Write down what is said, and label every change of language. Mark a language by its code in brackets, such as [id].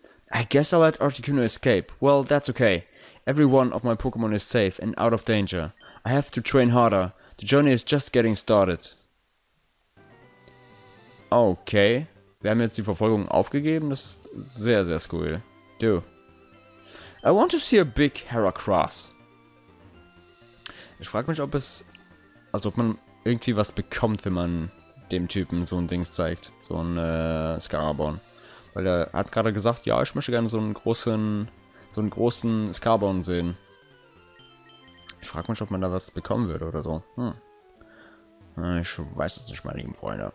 [en] I guess I'll let Articuno escape. Well, that's okay. Every one of my Pokémon is safe and out of danger. I have to train harder. The journey is just getting started. Okay. [de] Wir haben jetzt die Verfolgung aufgegeben. Das ist sehr, sehr skurril. Du. [en] I want to see a big Heracross. [de] Ich frage mich, ob es... Also, ob man irgendwie was bekommt, wenn man dem Typen so ein Dings zeigt. So ein Scaraborn. Weil er hat gerade gesagt, ja, ich möchte gerne so einen großen Scaraborn sehen. Ich frage mich, ob man da was bekommen würde oder so. Ich weiß es nicht, meine lieben Freunde.